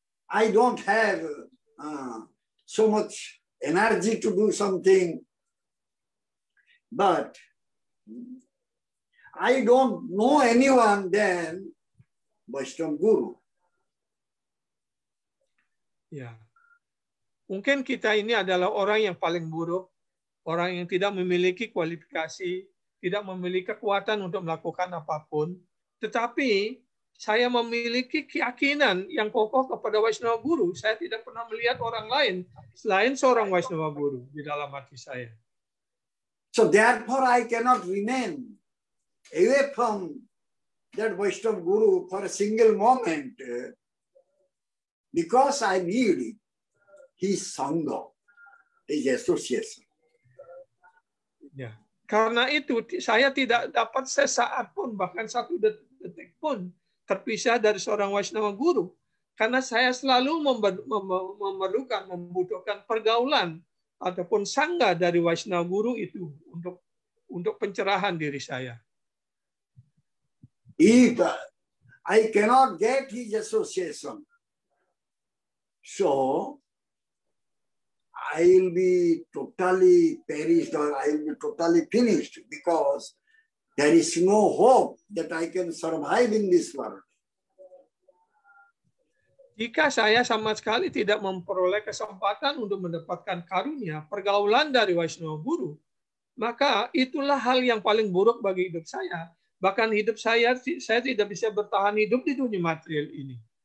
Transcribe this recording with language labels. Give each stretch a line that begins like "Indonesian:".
English: I don't have so much energy to do something, but I don't know anyone than Vaishnava guru.
Indonesian: Ya, mungkin kita ini adalah orang yang paling buruk, orang yang tidak memiliki kualifikasi, tidak memiliki kekuatan untuk melakukan apapun, tetapi saya memiliki keyakinan yang kokoh kepada Vaishnava guru. Saya tidak pernah melihat orang lain selain seorang Vaishnava guru di dalam hati saya.
English: So therefore I cannot remain away from that Vaishnava guru for a single moment because I need his sangha, his association.
Indonesian: Ya. Karena itu saya tidak dapat sesaat pun, bahkan satu detik pun terpisah dari seorang Vaishnava guru, karena saya selalu membutuhkan pergaulan ataupun sangga dari Vaishnava guru itu untuk pencerahan diri saya.
English: If I cannot get his association, so I'll be totally perished or I'll be totally finished because there is no hope that I can survive in this world.
Indonesian: Jika saya sama sekali tidak memperoleh kesempatan untuk mendapatkan karunia, pergaulan dari Vaishnava guru, maka itulah hal yang paling buruk bagi hidup saya. Bahkan hidup saya tidak bisa bertahan hidup di dunia material ini.